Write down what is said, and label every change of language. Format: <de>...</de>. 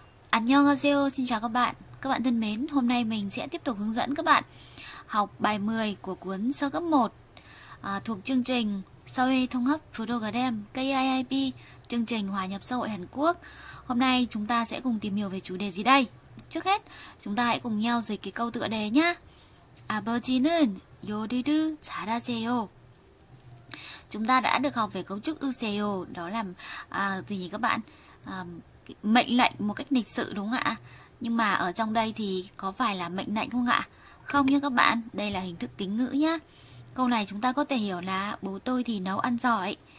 <vi>Annyeonghaseyo, xin chào các bạn thân mến. Hôm nay mình sẽ tiếp tục hướng dẫn các bạn học bài 10 của cuốn sơ cấp 1 thuộc chương trình Seoul Thonghap Program KIIP, chương trình hòa nhập xã hội Hàn Quốc. Hôm nay chúng ta sẽ cùng tìm hiểu về chủ đề gì đây? Trước hết, chúng ta hãy cùng nhau dịch cái câu tựa đề nhé.</vi> <ko>아버지는 요리를 잘하세요.</ko> <vi>Chúng ta đã được học về cấu trúc 으세요, đó là gì nhỉ các bạn? Mệnh lệnh một cách lịch sự đúng không ạ? Nhưng mà ở trong đây thì có phải là mệnh lệnh không ạ? Không nha các bạn, đây là hình thức kính ngữ nhá. Câu này chúng ta có thể hiểu là bố tôi thì nấu ăn giỏi.</vi>